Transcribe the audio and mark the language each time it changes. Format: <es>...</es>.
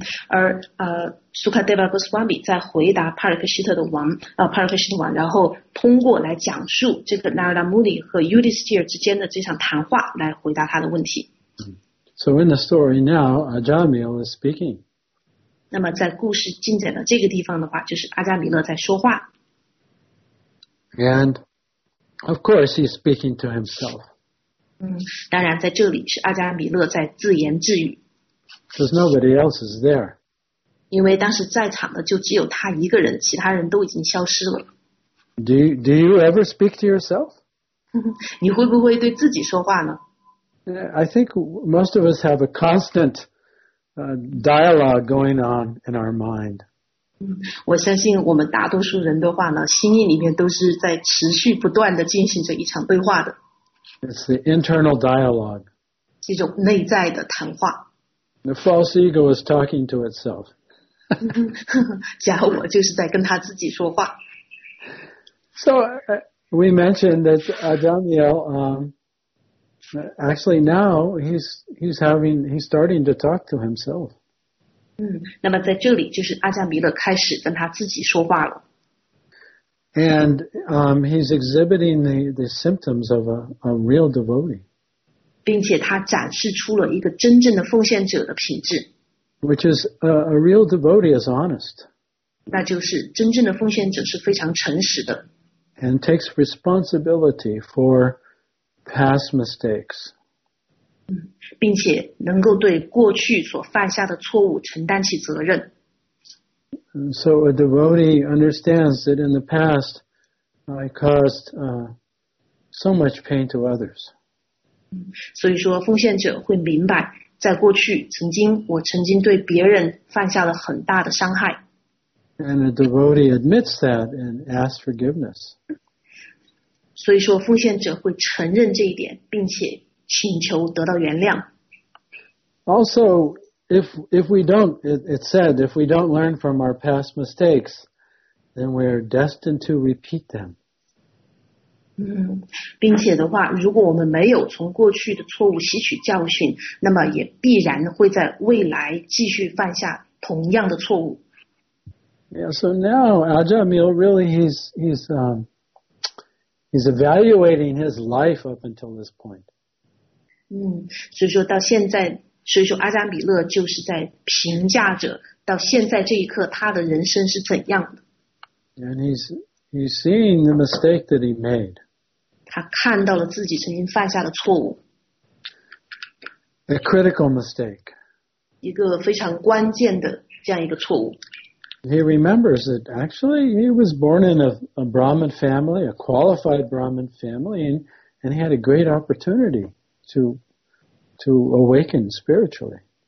<zh>而Sukadeva Goswami 在回答 Parikshita 王，然后通过来讲述这个 Narada Muni 和 Yudhisthira 之间的这场谈话来回答他的问题。</zh> <en>So in the story now, Ajamil is speaking.</en> <zh>那么在故事进展到这个地方的话，就是阿加米勒在说话。</zh> <en>And of course, he's speaking to himself.</en> <zh>当然在这里是阿加米勒在自言自语。</zh> <en>Because nobody else is there.</en> <zh>因为当时在场的就只有他一个人，其他人都已经消失了。</zh> <en>Do you ever speak to yourself?</en> <zh>你会不会对自己说话呢？</zh> <en>I think most of us have a constant dialogue going on in our mind.</en> <zh>我相信我们大多数人的话呢，心意里面都是在持续不断地进行着一场对话的。</zh> <en>It's the internal dialogue.</en> <zh>这种内在的谈话。</zh> <en>The false ego is talking to itself.</en> <zh>假我就是在跟他自己说话。</zh> <en>So, we mentioned that Ajamil, actually now he's starting to talk to himself.</en> <zh>那么在这里就是阿加弥勒开始跟他自己说话了。</zh> <en>And, he's exhibiting the symptoms of a real devotee.</en> <zh>并且他展示出了一个真正的奉献者的品质。</zh> <en>Which is a real devotee is honest.</en> <zh>那就是真正的奉献者是非常诚实的。</zh> <en>And takes responsibility for past mistakes.</en> <zh>并且能够对过去所犯下的错误承担起责任。</zh> <en>And so a devotee understands that in the past I caused so much pain to others.</en> <zh>所以说奉献者会明白在过去曾经我曾经对别人犯下了很大的伤害。</zh> <en>And a devotee admits that and asks forgiveness.</en> <zh>所以说奉献者会承认这一点并且请求得到原谅。</zh> <en>Also, if we don't, it's said, if we don't learn from our past mistakes, then we are destined to repeat them.</en> <zh>并且的话如果我们没有从过去的错误吸取教训那么也必然会在未来继续犯下同样的错误。</zh> <en>Yeah, so now, Ajamil, really, he's evaluating his life up until this point.</en> <zh>所以说到现在所以说阿扎米勒就是在评价着到现在这一刻他的人生是怎样的。</zh> <en>And he's seeing the mistake that he made.</en> <zh>他看到了自己曾经犯下的错误。</zh> <en>A critical mistake.</en> <zh>一个非常关键的这样一个错误。</zh> <en>He remembers that actually he was born in a Brahmin family, a qualified Brahmin family, and he had a great opportunity to awaken spiritually.</en>